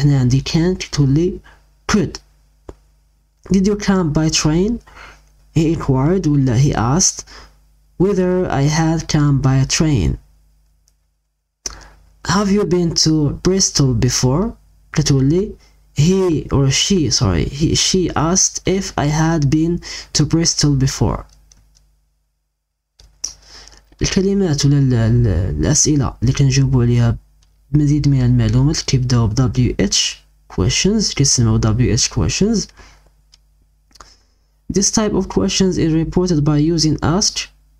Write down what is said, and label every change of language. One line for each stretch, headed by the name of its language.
Arabic: هنا عندي
English: can
Arabic: كتولي
English: could. Did you come by train؟ He inquired
Arabic: ولا
English: he asked whether I had come by a train. Have you been to Bristol before؟
Arabic: كتولي
English: she asked if I had been to Bristol before.
Arabic: الكلمات ولا الأسئلة اللي كنجاوبو عليها مزيد من المعلومات كيبداو ب WH questions، كيسمو WH questions.
English: This type of questions is reported by using ask